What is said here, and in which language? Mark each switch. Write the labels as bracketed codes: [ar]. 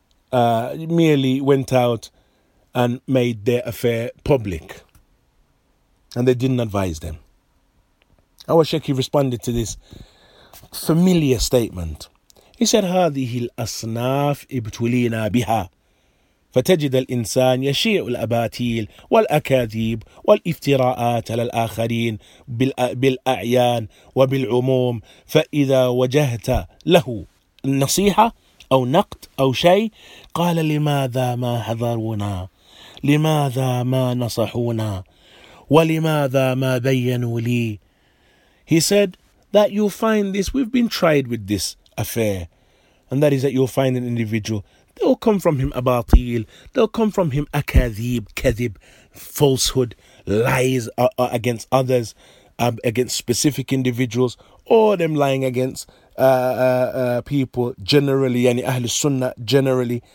[en] And they merely went out and made their affair public. And they didn't advise them. Our Sheikh responded to this familiar statement. He said, [ar] هذه الأصناف ابتلينا بها فتجد الإنسان يشيع الأباطيل والأكاذيب والافتراءات على الآخرين بالأعيان وبالعموم فإذا وجهت له نصيحة أو نقد أو شيء قال لماذا ما حضرونا لماذا ما نصحونا ولماذا ما بينوا لي. [en] He said that you'll find this, we've been tried with this affair. And that is that you'll find an individual, they'll come from him abatil, they'll come from him akadhib, kadhib, falsehood, lies against others, against specific individuals, or them lying against people generally, yani Ahlul Sunnah generally.